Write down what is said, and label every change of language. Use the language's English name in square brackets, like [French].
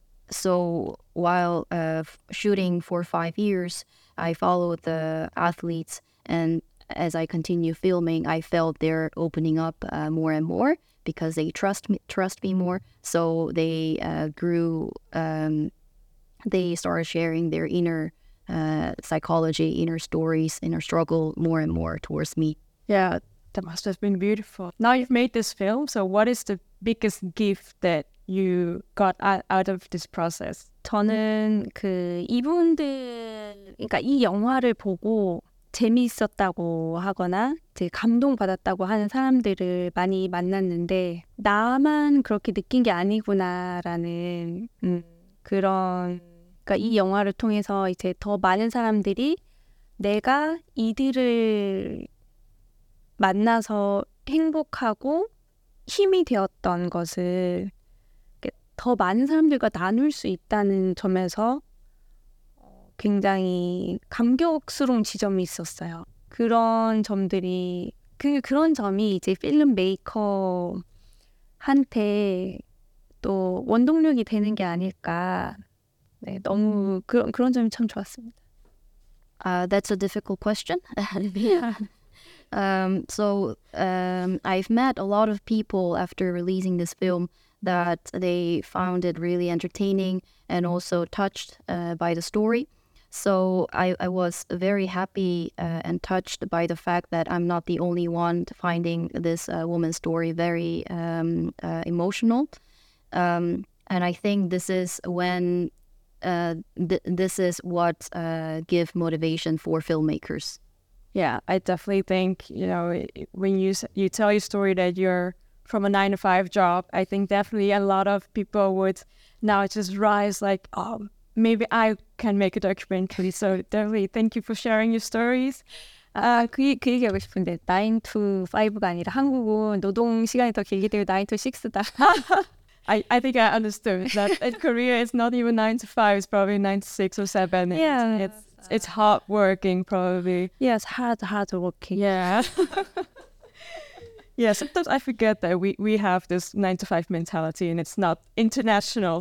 [English] so while shooting for 5 years I followed the athletes and as I continue filming I felt they're opening up more and more because they trust me more so they grew they started sharing their inner psychology, inner stories, inner struggle more and more towards me. Yeah, That must have been beautiful. Now you've made this film, so what is the biggest gift that you got out of this process? [Korean] 저는 그 이분들 그러니까 이 영화를 보고 재미있었다고 하거나 이제 감동받았다고 하는 사람들을 많이 만났는데 나만 그렇게 느낀 게 아니구나라는 그런 그러니까 이 영화를 통해서 이제 더 많은 사람들이 내가 이들을 만나서 행복하고 힘이 되었던 것을 더 많은 사람들과 나눌 수 있다는 점에서 굉장히 감격스러운 지점이 있었어요. 그런 점들이 그런 점이 이제 필름 메이커한테 또 원동력이 되는 게 아닐까. 네, 너무 그런 점이 참 좋았습니다. [English] That's a difficult question. I've met a lot of people after releasing this film that they found it really entertaining and also touched by the story. So I was very happy and touched by the fact that I'm not the only one finding this woman's story very emotional. And I think this is when this is what give motivation for filmmakers. Yeah, I definitely think, you know, when you tell your story that you're from a 9-to-5 job, I think definitely a lot of people would now just rise like, oh, maybe I can make a documentary. So definitely, thank you for sharing your stories. [Korean] 그 얘기하고 싶은데, 9-to-5가 아니라 한국은 노동 시간이 더 길게 되고 9-to-6다. [English] I think I understood that in Korea, it's not even 9-to-5, it's probably 9-to-6 or 9-to-7. Yeah. It's hard working, probably. Yes, hard working. Yeah. Yeah, sometimes I forget that we have this 9-to-5 mentality and it's not international.